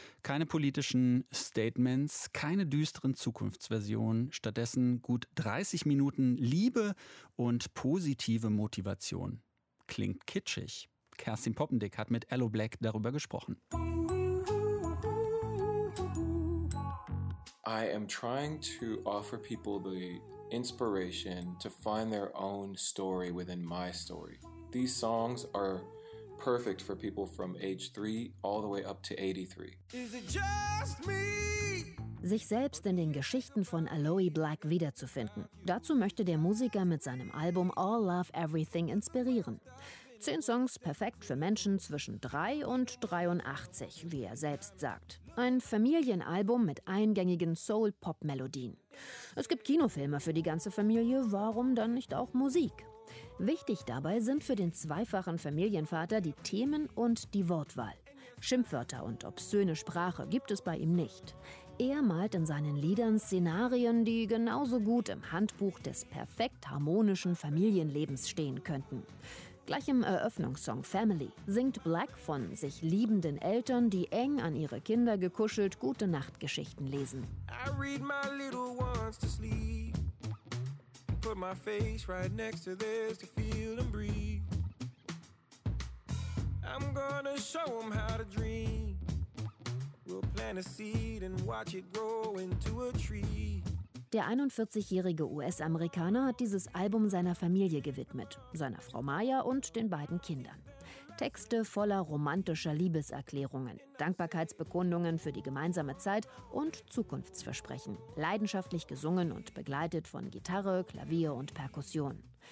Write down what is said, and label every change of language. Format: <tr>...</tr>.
<de>Keine politischen Statements, keine düsteren Zukunftsversionen, stattdessen gut 30 Minuten Liebe und positive Motivation. Klingt kitschig. Kerstin Poppendick hat mit Aloe Black darüber gesprochen.</de> <en>I am trying to offer people the inspiration to find their own story within my story. These songs are perfect for people from age 3 all the way up to 83. Is it just me?</en> <de>Sich selbst in den Geschichten von Aloe Black wiederzufinden. Dazu möchte der Musiker mit seinem Album All Love Everything inspirieren. 10 Songs perfekt für Menschen zwischen 3 und 83, wie er selbst sagt. Ein Familienalbum mit eingängigen Soul-Pop-Melodien. Es gibt Kinofilme für die ganze Familie, warum dann nicht auch Musik? Wichtig dabei sind für den zweifachen Familienvater die Themen und die Wortwahl. Schimpfwörter und obszöne Sprache gibt es bei ihm nicht. Er malt in seinen Liedern Szenarien, die genauso gut im Handbuch des perfekt harmonischen Familienlebens stehen könnten. Gleich im Eröffnungssong Family singt Black von sich liebenden Eltern, die eng an ihre Kinder gekuschelt Gute-Nacht-Geschichten lesen.</de> <en>I read my little ones to sleep. Put my face right next to theirs to feel them breathe. I'm gonna show them how to dream. We'll plant a seed and watch it grow into a tree.</en> <de>Der 41-jährige US-Amerikaner hat dieses Album seiner Familie gewidmet, seiner Frau Maya und den beiden Kindern. Texte voller romantischer Liebeserklärungen, Dankbarkeitsbekundungen für die gemeinsame Zeit und Zukunftsversprechen. Leidenschaftlich gesungen und begleitet von Gitarre, Klavier und Perkussion.</de>